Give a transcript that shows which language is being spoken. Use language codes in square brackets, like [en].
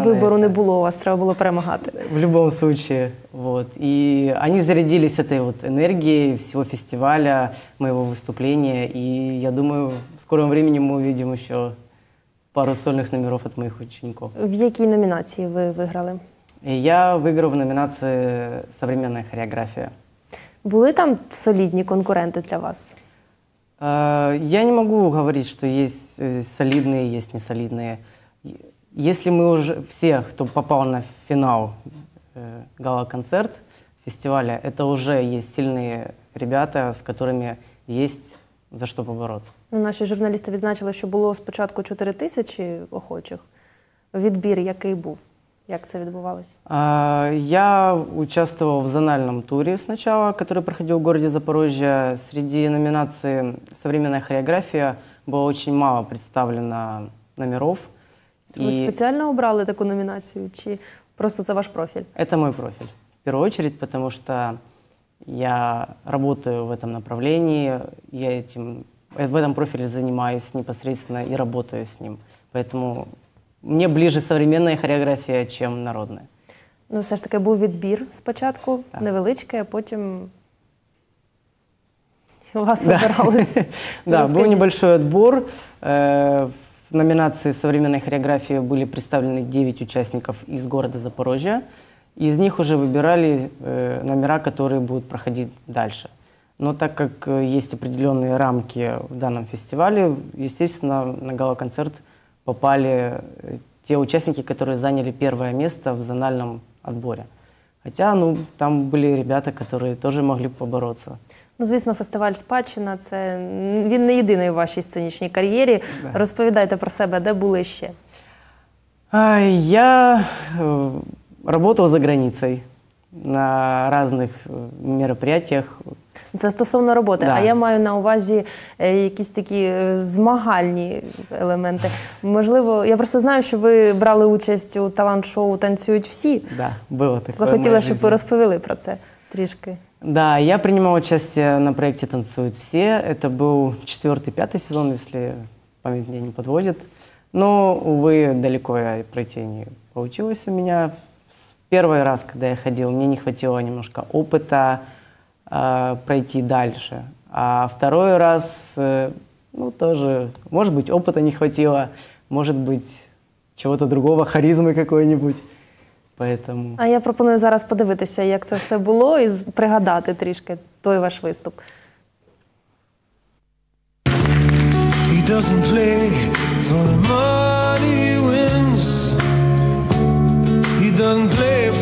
[uk] Выбору не было, у вас треба було перемагати. [ru] В любом случае. Вот. И они зарядились этой вот энергией всего фестиваля, моего выступления. И я думаю, в скором времени мы увидим еще пару сольных номеров от моих учеников. В какие номинации вы выиграли? [uk] Я виграв в номінації «Современна хореографія». Були там солідні конкуренти для вас? Я не можу говорити, що є солідні, є несолідні. Якщо ми вже всі, хто попав на фінал гала-концерт фестивалю, це вже є сильні ребята, з якими є за що побороти. Наші журналісти відзначили, що було спочатку 4 тисячі охочих. Відбір який був? [ru] Как это [uk] відбувалось? [ru] Я участвовал в зональном туре сначала, который проходил в городе Запорожье. Среди номинаций «Современная хореография» было очень мало представлено номеров. Вы специально убрали такую номинацию, или просто это ваш профиль? Это мой профиль. В первую очередь, потому что я работаю в этом направлении, я этим, в этом профиле занимаюсь непосредственно и работаю с ним. Поэтому мне ближе современная хореография, чем народная. [uk] Ну, все ж таки, був відбір спочатку, так. Невеличкий, а потім вас обирали. Да, був небольшой відбір. В номінації «Современная хореографія» були представлені 9 учасників із міста Запорожжя. [ru] Из них уже выбирали номера, которые будут проходить дальше. Но так как есть определенные рамки в данном фестивале, естественно, на гала-концерт попали те участники, которые заняли первое место в зональном отборе. Хотя, ну, там были ребята, которые тоже могли побороться. [uk] Ну, звісно, фестиваль «Спадщина» – це він не єдиний в вашій сценічній кар'єрі. Да. Розповідайте про себе, де були ще? [ru] Я работал за границей на разных мероприятиях. Это стосовно работы. [uk] Да. А я маю на увазі якісь такі змагальні елементи. Можливо, я просто знаю, що ви брали участь у талант-шоу «Танцюють всі». [ru] Да, было такое. [uk] Захотіла, щоб ви розповіли про це трішки. [ru] Да, я принимал участие на проекте «Танцюють всі». Это был 4-5 сезон, если память не подводит. Но, увы, далеко я пройти не получилось у меня. Первый раз, когда я ходил, мне не хватило немножко опыта пройти дальше. А второй раз, ну, тоже, может быть, опыта не хватило, может быть, чего-то другого, харизмы какой-нибудь. Поэтому... [uk] А я пропоную зараз подивитися, як це все було, і пригадати трішки той ваш виступ. [en] He doesn't play for the money he wins. He doesn't play.